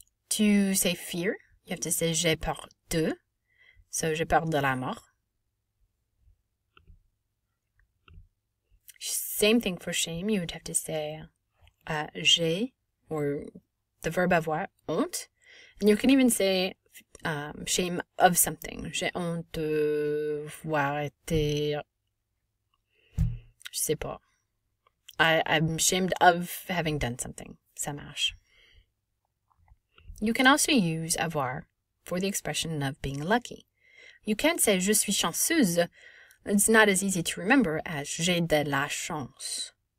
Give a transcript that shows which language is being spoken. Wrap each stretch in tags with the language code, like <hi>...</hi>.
<en>To say fear, you have to say</en> <fr>j'ai peur de,</fr> <en>so</en> <fr>j'ai peur de la mort.</fr> <en>Same thing for shame, you would have to say</en> <fr>j'ai,</fr> <en>or the verb avoir,</en> <fr>honte.</fr> <en>And you can even say shame of something.</en> <fr>J'ai honte de voir été, je sais pas.</fr> <en>I'm ashamed of having done something.</en> <fr>Ça marche.</fr> <en>You can also use avoir for the expression of being lucky. You can't say</en> <fr>je suis chanceuse.</fr> <en>It's not as easy to remember as</en> <fr>j'ai de la chance.</fr>